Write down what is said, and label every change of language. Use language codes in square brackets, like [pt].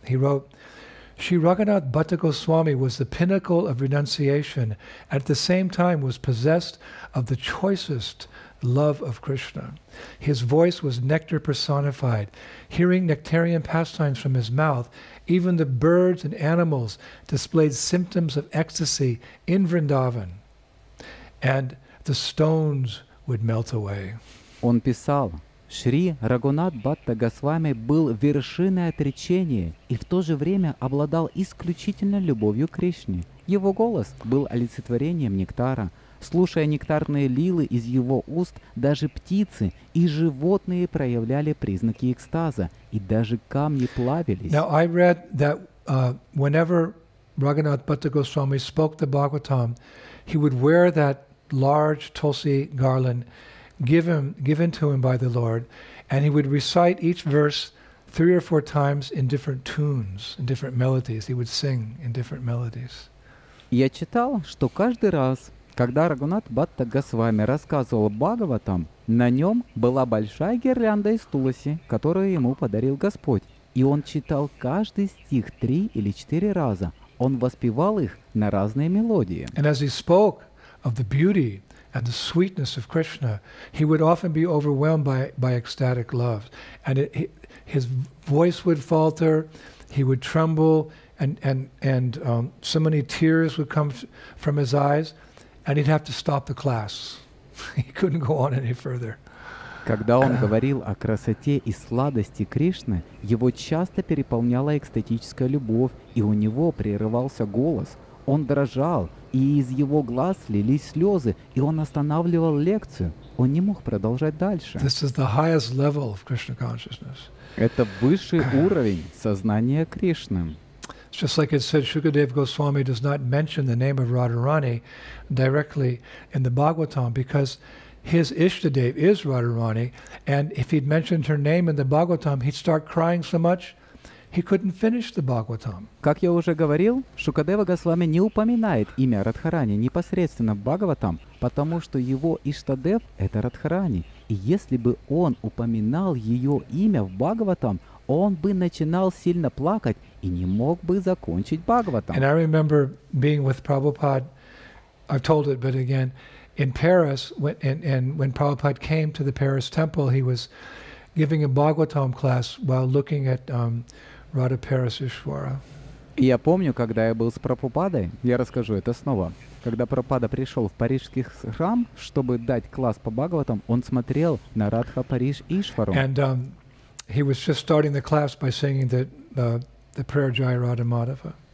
[en] He wrote, Sri Raghunath Bhatta Goswami was the pinnacle of renunciation, and at the same time was possessed of the choicest love of Krishna. His voice was nectar personified. Hearing nectarian pastimes from his mouth, even the birds and animals displayed symptoms of ecstasy in Vrindavan. And the stones would melt away. [ru] Он писал, Шри Рагунат Бхатта Госвами был вершиной отречения и в то же время обладал исключительно любовью к Кришне. Его голос был олицетворением нектара. Слушая нектарные лилы из его уст, даже птицы и животные проявляли признаки экстаза, и даже камни плавились. [en] Now I read that whenever Raghunath Bhatta Goswami spoke the Bhagavatam, he would wear that large tulsi garland given to him by the Lord, and he would recite each verse three or four times in different tunes, in different melodies. He would sing in different melodies. [ru] Я читал, что каждый раз, когда Рагунат Бхатта Госвами рассказывал Бхагаватам, на нем была большая гирлянда из тулоси, которую ему подарил Господь, и он читал каждый стих три или четыре раза. Он воспевал их на разные мелодии. [en] And as he spoke of the beauty and the sweetness of Krishna, he would often be overwhelmed by ecstatic love. And his voice would falter, he would tremble, and so many tears would come from his eyes, and he'd have to stop the class. He couldn't go on any further. [ru] Когда он говорил о красоте и сладости Кришны, его часто переполняла экстатическая любовь, и у него прерывался голос. Он дрожал, и из его глаз лились слезы, и он останавливал лекцию. Он не мог продолжать дальше. [en] This is the highest level of Krishna consciousness. [ru] Это высший уровень сознания Кришны. [en] It's just like it said, Shukadeva Goswami does not mention the name of Radharani directly in the Bhagavatam, because his Ishtadev is Radharani, and if he'd mentioned her name in the Bhagavatam, he'd start crying so much, He couldn't finish the Bhagavatam. [ru] Как я уже говорил, Шукадева Госвами не упоминает имя Радхарани непосредственно в Бхагаватам, потому что его Иштадев — это Радхарани. И если бы он упоминал ее имя в Бхагаватам, он бы начинал сильно плакать и не мог бы закончить Бхагаватам. [en] And I remember being with Prabhupada. I've told it, but again, in Paris, when Prabhupada came to the Paris temple, he was giving a Bhagavatam class while looking at Radha Parasishvara. [ru] Я помню, когда я был с Прабхупадой, я расскажу это снова. Когда Прабхупада пришел в парижский храм, чтобы дать класс по Бхагаватам, он смотрел на Радха Париж Ишвару. [en] And he was just starting the class by singing the prayer Jai Radha Madhava.